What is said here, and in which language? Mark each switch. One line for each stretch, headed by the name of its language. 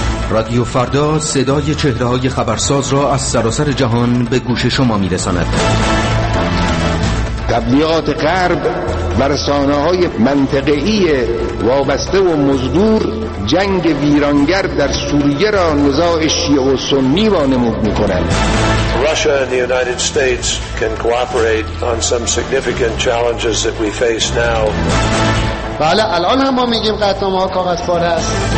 Persian: رادیو فردا صدای چهره های خبرساز را از سراسر جهان به گوش شما می رساند. تبلیغات غرب و رسانه های منطقه‌ای وابسته و مزدور جنگ ویرانگر در سوریه را نزاع شیعه و سنی وانمود می کنند.
English: Russia and the United States can cooperate on some significant challenges that we face now.
Persian: بله الان هم ما میگیم قطعنامه ها کاغذ پاره است.